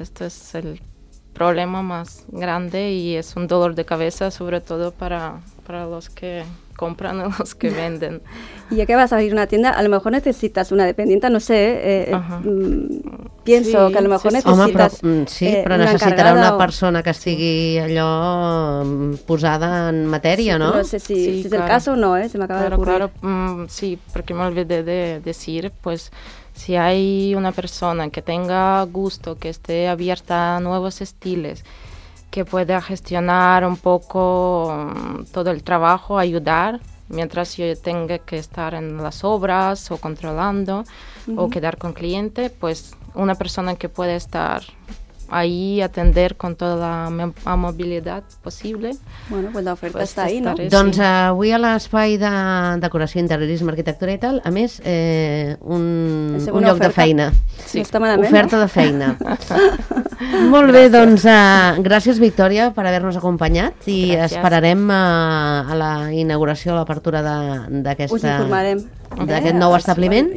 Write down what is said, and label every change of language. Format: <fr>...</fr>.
<es>Esto es el problema más grande y es un dolor de cabeza, sobre todo para los que compran y los que venden. Y ya que vas a abrir una tienda, a lo mejor necesitas una dependienta, no sé. Pienso sí, que a lo mejor necesitas una encargada.</es> <ca>Sí, però necessitarà una persona que estigui allò posada en matèria, sí, no? No sé si és el cas o no, se m'acaba d'ocurrir.</ca> <es>Claro, sí, perquè m'olvidé de decir, pues si hay una persona que tenga gusto, que esté abierta a nuevos estilos, que pueda gestionar un poco todo el trabajo, ayudar, mientras yo tenga que estar en las obras o controlando o quedar con cliente, pues una persona que pueda estar ahí, atender con toda la amabilidad posible. Bueno, pues la oferta pues está ahí, ¿no?</es> <ca>Doncs avui a l'espai de decoració, interiorisme, arquitectura i tal, a més, un lloc oferta de feina. Sí. No està malament. Oferta de feina. Molt bé, gràcies. Doncs gràcies, Victòria, per haver-nos acompanyat i gràcies. Esperarem a la inauguració, a l'apertura d'aquest nou establiment.</ca>